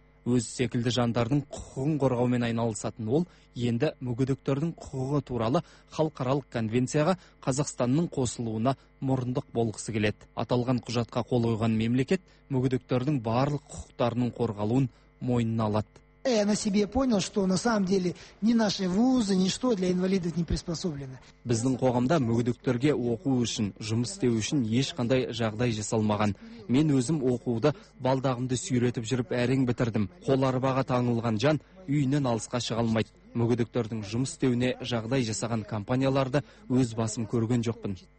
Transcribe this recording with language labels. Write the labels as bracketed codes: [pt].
[kk] Өз секілді жандардың құқығын қорғаумен айналысатын ол, енді мүгедектердің құқығы туралы халықаралық конвенцияға Қазақстанның қосылуына мұрындық болғысы келеді. Аталған құжатқа қол қойған мемлекет мүгедектердің барлық құқықтарының қорғалуын мойнына алады. [ru] Я на себе понял, что на самом деле ни наши вузы, ничто для инвалидов не приспособлено. [kk] Біздің қоғамда мүгедектерге оқу үшін, жұмыс істеу үшін ешқандай жағдай жасалмаған. Мен өзім оқуды балдағымды сүйретіп жүріп әрең бітірдім. Қоларбаға таңылған жан үйінен алысқа шыға алмайды. Мүгедектердің жұмыс істеуіне жағдай жасаған компанияларды өз басым көрген жоқпын.